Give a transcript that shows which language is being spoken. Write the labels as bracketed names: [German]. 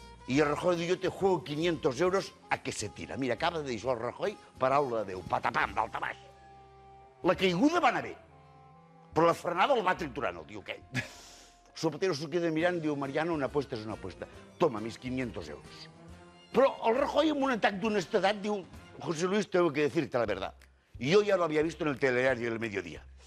[Catalan] I el Rajoy diu, jo [Spanish] te juego 500 euros a que se tira. [Catalan] Mira, acaba de dir això el Rajoy, paraula de Déu, patapam, d'alta baix. La caiguda va anar bé, però la frenada el va triturant, el tio aquell. Zapatero s'ho queda mirant, diu, Mariano, [Spanish] una apuesta és una apuesta. Toma, mis 500 euros. [Catalan] Però el Rajoy, amb un atac d'honestedat, diu, José Luis, [Spanish] tengo que decirte la verdad. Yo ya lo había visto en el telediario del mediodía.